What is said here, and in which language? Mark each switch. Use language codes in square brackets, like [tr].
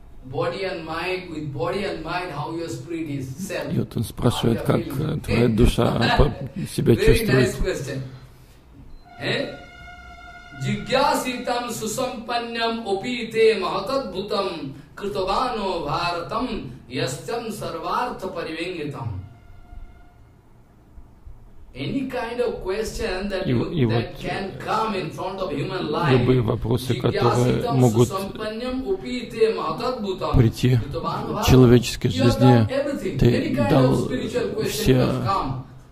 [en] Body and mind, with body and mind, how your spirit is self. [ru] И вот он спрашивает, как твоя душа себя чувствует. [en] Very nice question. [sa] Jigyasitam susampanyam opite mahatadbhutam kritavano bharatam yastam sarvartha parivengitam. [en] Any kind of question that that can come in front of human life. [ru] Любые вопросы, которые могут прийти в человеческой жизни, ты дал все.